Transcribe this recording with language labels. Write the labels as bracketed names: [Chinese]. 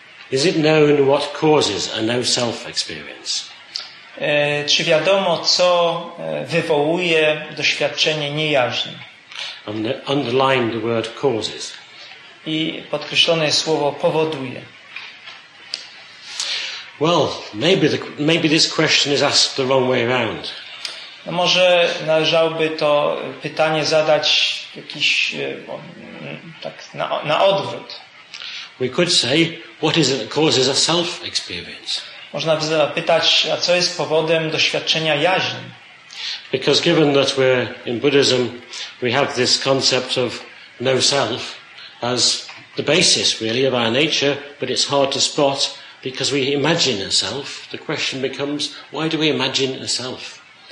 [English] Is it known what causes a no self experience? [Polish] Czy wiadomo, co wywołuje doświadczenie niejaźni? [English] Underline the word causes. [Polish] I podkreślone jest słowo powoduje. [English] Well, maybe this question is asked the wrong way around. [Polish] No może należałoby to pytanie zadać jakiś tak na odwrót. [English] We could say, what is it that causes a self-experience? [Polish] Można by zapytać, a co jest powodem doświadczenia jaźni? [English] Because given that we're in Buddhism, we have this concept of no self as the basis, really, of our nature, but it's hard to spot because we imagine a self. The question becomes, why do we imagine a self?